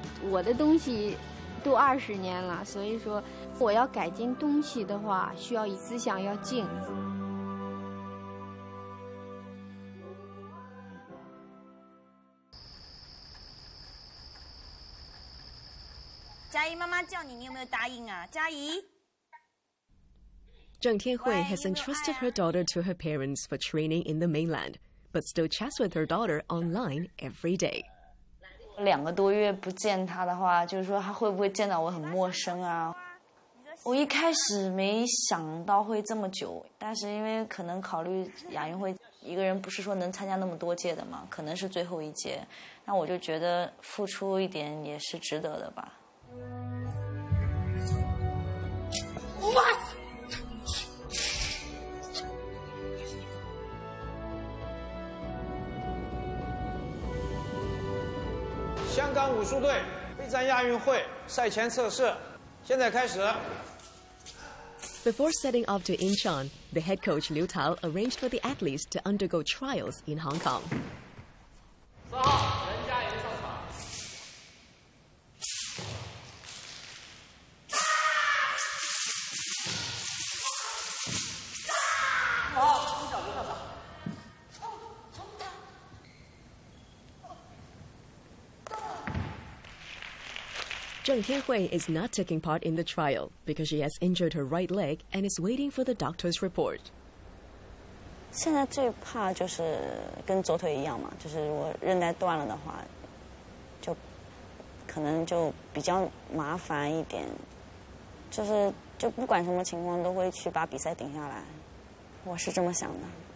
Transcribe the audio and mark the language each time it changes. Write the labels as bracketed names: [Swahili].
[Chinese] 我的东西都20年了，所以说我要改进东西的话，需要以思想要静。加姨妈妈叫你，你有没有答应啊？佳怡。 [English] Zheng Tianhui has entrusted her daughter to her parents for training in the mainland, but still chats with her daughter online every day. [Chinese] 两个多月不见她的话，就是说她会不会见到我很陌生啊？我一开始没想到会这么久，但是因为可能考虑亚运会，一个人不是说能参加那么多届的嘛，可能是最后一届，那我就觉得付出一点也是值得的吧。哇！香港武术队备战亚运会赛前测试，现在开始。 [English] Before setting off to Incheon, the head coach Liu Tao arranged for the athletes to undergo trials in Hong Kong. [Chinese] 四号，任嘉颖上场。四号，朱晓明上场。 [English] Zheng Tianhui is not taking part in the trial because she has injured her right leg and is waiting for the doctor's report. [Chinese] 现在最怕就是跟左腿一样嘛，就是如果韧带断了的话，就可能就比较麻烦一点。就是就不管什么情况都会去把比赛顶下来，我是这么想的。